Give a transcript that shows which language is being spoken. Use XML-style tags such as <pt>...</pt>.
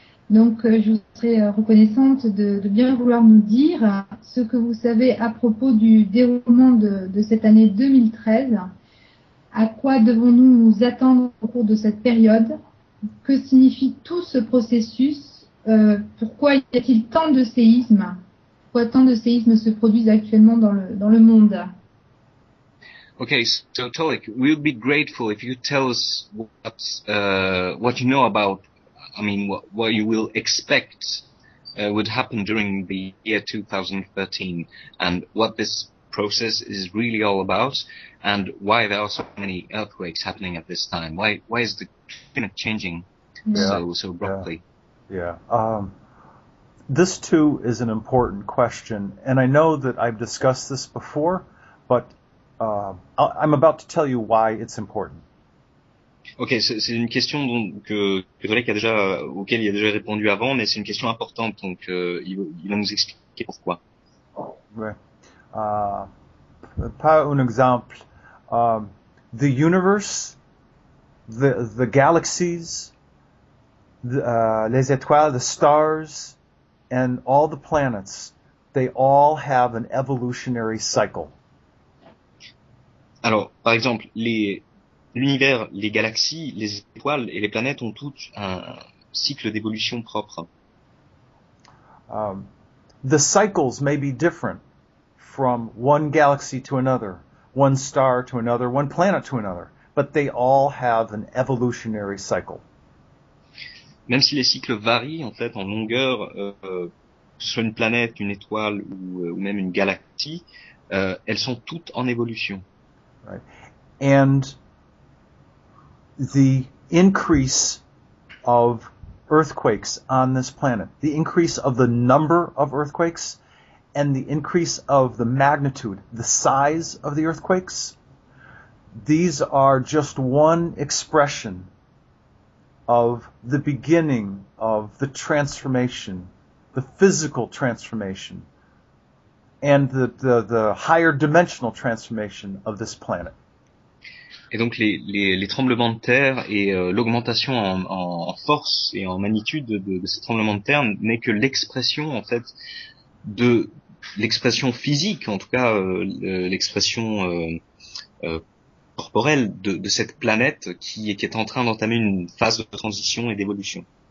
<fr>Donc, je vous serais reconnaissante de bien vouloir nous dire ce que vous savez à propos du déroulement de cette année 2013. À quoi devons-nous nous attendre au cours de cette période? Que signifie tout ce processus? Pourquoi y a-t-il tant de séismes? Pourquoi tant de séismes se produisent actuellement dans le monde?</fr> <en>Okay, so Tolek, we would be grateful if you could tell us what you know about. I mean, what you will expect would happen during the year 2013, and what this process is really all about, and why there are so many earthquakes happening at this time. Why is the climate changing so abruptly? Yeah. This too is an important question, and I know that I've discussed this before, but I'm about to tell you why it's important.</en> <fr>Ok, c'est une question donc que Drake a déjà, auquel il a déjà répondu avant, mais c'est une question importante, donc il va nous expliquer pourquoi. Ouais. Pas un exemple.</fr> <en>The universe, the galaxies,</en> <fr>les étoiles,</fr> <en>the stars, and all the planets, they all have an evolutionary cycle.</en> <fr>Alors, par exemple, l'univers, les galaxies, les étoiles et les planètes ont toutes un cycle d'évolution propre.</fr> <en>The cycles may be different from one galaxy to another, one star to another, one planet to another, but they all have an evolutionary cycle.</en> <fr>Même si les cycles varient en fait en longueur, que ce soit une planète, une étoile ou même une galaxie, elles sont toutes en évolution.</fr> <en>Right. And the increase of earthquakes on this planet, the increase of the number of earthquakes, and the increase of the magnitude, the size of the earthquakes, these are just one expression of the beginning of the transformation, the physical transformation, and the higher dimensional transformation of this planet.</en> <fr>Et donc les tremblements de terre et l'augmentation en force et en magnitude de ces tremblements de terre n'est que l'expression en fait de l'expression physique, en tout cas l'expression corporelle de cette planète qui est en train d'entamer une phase de transition et d'évolution.</fr>